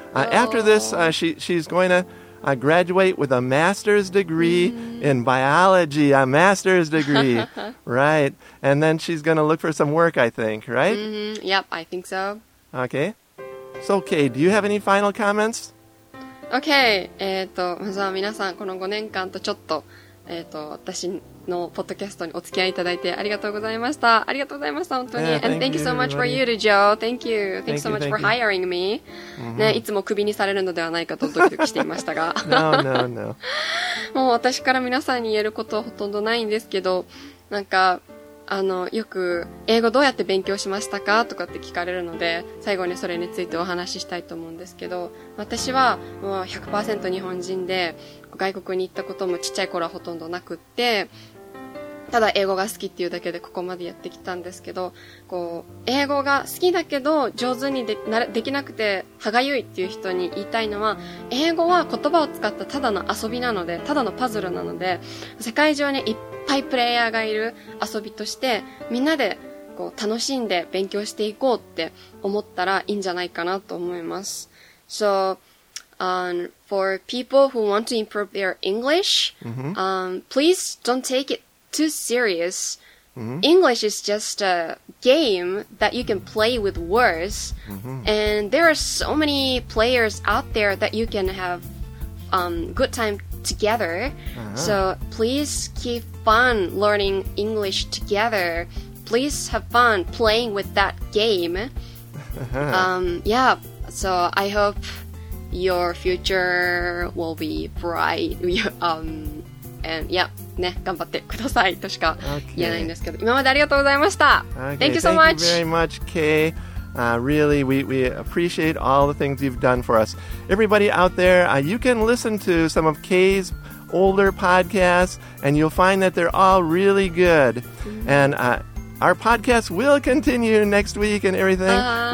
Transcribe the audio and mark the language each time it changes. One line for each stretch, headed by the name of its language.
English: After this, she's going to graduate with a master's degree in biology, a master's degree, right? And then she's going to look for some work, I think, right? Mm-hmm. Yep, I think so. Okay. So, Kay, do you have any final comments? Okay.
Japanese: まずは皆さん、この5年間とちょっと、私のポッドキャストにお付き合いいただいてありがとうございました。ありがとうございました、本当に。
English: Yeah, and thank you so much for you, Joe. Thank you. Thank you so much for hiring me.
Japanese: ね、いつもクビにされるのではないかとドキドキしていましたが。
English: No, no, no.
Japanese: もう私から皆さんに言えることはほとんどないんですけど、なんか、よく、英語どうやって勉強しましたかとかって聞かれるので、最後にそれについてお話ししたいと思うんですけど、私はもう 100% 日本人で、外国に行ったこともちっちゃい頃はほとんどなくって、ただ英語が好きっていうだけでここまでやってきたんですけど、こう、英語が好きだけど上手にできなくて歯がゆいっていう人に言いたいのは、英語は言葉を使ったただの遊びなので、ただのパズルなので、世界中にいっぱいプレイヤーがいる遊びとして、みんなでこう楽しんで勉強していこうって思ったらいいんじゃないかなと思います。
English: So,for people who want to improve their English, please don't take it too serious. English is just a game that you can play with words. And there are so many players out there that you can have good time together. So please keep fun learning English together. Please have fun playing with that game. So I hope... Your future will be bright.
Japanese: ね、頑張ってくださいとしか言えないんですけど、今までありがとうございました。
English: Thank you so much. Thank you very much, Kay. Really, we appreciate all the things you've done for us. Everybody out there, you can listen to some of Kay's older podcasts, and you'll find that they're all really good. And our podcast will continue next week and everything. Uh-huh.